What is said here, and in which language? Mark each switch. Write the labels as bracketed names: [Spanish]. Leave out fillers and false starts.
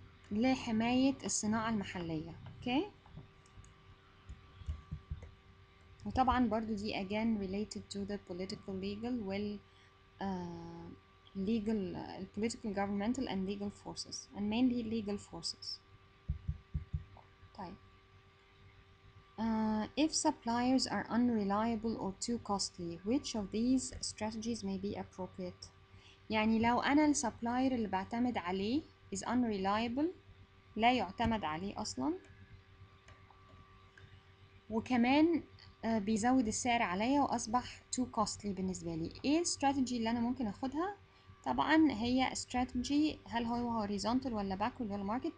[Arabic] لحماية الصناعة المحلية. اوكي وطبعا برضو دي [English] again related to the political legal well legal political governmental and legal forces and mainly legal forces. طيب if suppliers are unreliable or too costly, which of these strategies may be appropriate. [Arabic] يعني لو انا السبلاير اللي بعتمد عليه [English] is unreliable، [Arabic] لا يعتمد عليه اصلا، وكمان بيزود السعر عليا واصبح [English] too costly [Arabic] بالنسبه لي، ايه الاستراتيجي اللي انا ممكن اخدها؟ طبعا هي استراتيجي، هل هو هوريزونتال ولا باكورد ولا ماركت.